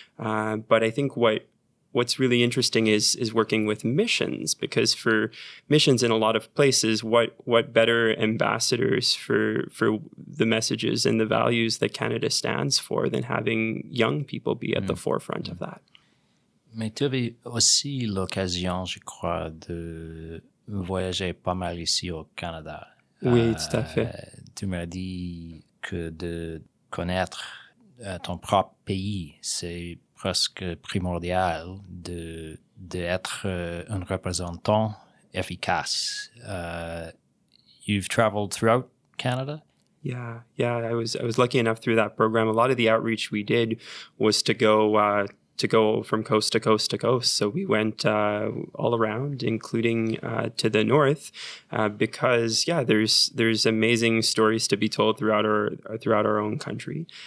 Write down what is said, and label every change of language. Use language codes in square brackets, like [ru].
[en] But I think what's really interesting is working with missions, because for missions in a lot of places, what better ambassadors for the messages and the values that Canada stands for than having young people be at the forefront of that? [fr] Mais tu avais aussi l'occasion, je crois, de voyager pas mal ici au Canada. Oui, tout à fait. Tu m'as dit que de connaître ton propre pays, c'est presque primordial d'être un représentant efficace. [en] You've traveled throughout Canada? Yeah, I was lucky enough through that program. A lot of the outreach we did was to go to go from coast to coast to coast. So we went all around, including to the north, because yeah, there's amazing stories to be told throughout our own country.